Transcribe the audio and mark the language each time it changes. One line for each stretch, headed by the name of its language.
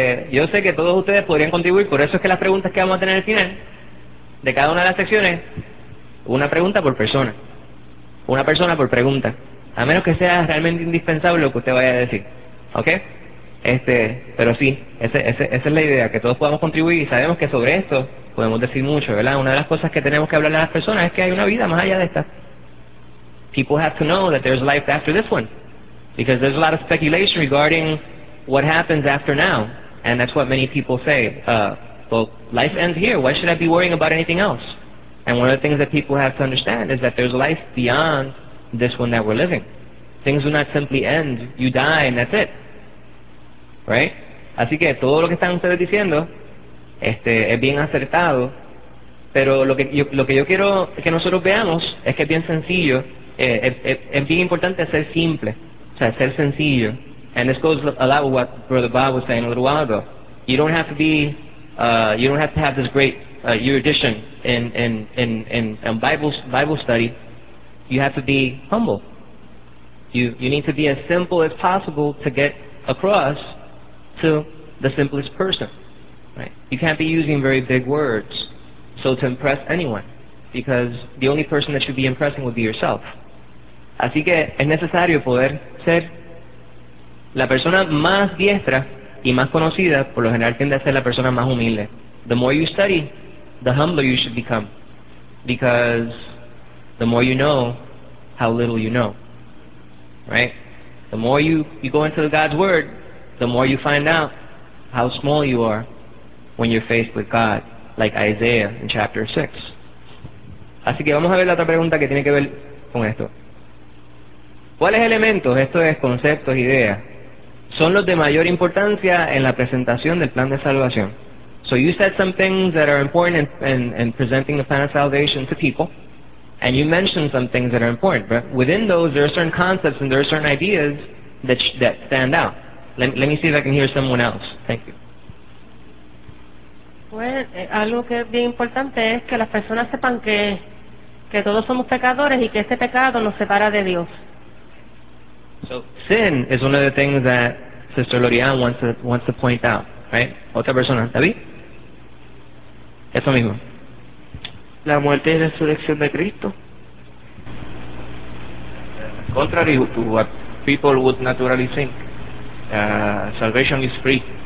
Spanish: Yo sé que todos ustedes podrían contribuir, por eso es que las preguntas que vamos a tener al final de cada una de las secciones, una pregunta por persona, una persona por pregunta, a menos que sea realmente indispensable lo que usted vaya a decir, ¿ok? Pero sí, esa es la idea, que todos podamos contribuir, y sabemos que sobre esto podemos decir mucho, ¿verdad? Una de las cosas que tenemos que hablarle a las personas es que hay una vida más allá de esta.
English: People have to know that there's life after this one, because there's a lot of speculation regarding what happens after now, and that's what many people say. Well, life ends here, why should I be worrying about anything else? And one of the things that people have to understand is that there's life beyond this one that we're living. Things do not simply end, you die and that's it. Right?
Spanish: Así que todo lo que están ustedes diciendo es bien acertado, pero lo que yo quiero que nosotros veamos es que es bien sencillo, es bien importante ser simple, o sea, ser sencillo,
English: And this goes a lot with what Brother Bob was saying a little while ago. You don't have to be, you don't have to have this great erudition in Bible study. You have to be humble. You need to be as simple as possible to get across to the simplest person. Right? You can't be using very big words so to impress anyone, because the only person that should be impressing would be yourself.
Spanish: Así que es necesario poder ser la persona más diestra y más conocida, por lo general tiende a ser la persona más humilde.
English: The more you study, the humbler you should become, because the more you know, how little you know. Right? The more you go into God's Word, the more you find out how small you are when you're faced with God, like Isaiah in chapter 6.
Spanish: Así que vamos a ver la otra pregunta que tiene que ver con esto. ¿Cuáles elementos, esto es, conceptos, ideas, son los de mayor importancia en la presentación del plan de salvación?
English: So you said some things that are important in presenting the plan of salvation to people, and you mentioned some things that are important, but within those there are certain concepts and there are certain ideas that stand out. Let me see if I can hear someone else. Thank you.
Spanish: Pues, algo que es bien importante es que las personas sepan que todos somos pecadores y que este pecado nos separa de Dios.
English: So, sin is one of the things that Sister Lorian wants to point out, right?
Spanish: Otra persona, David. Eso mismo. La muerte y resurrección de Cristo.
English: Contrary to what people would naturally think, salvation is free.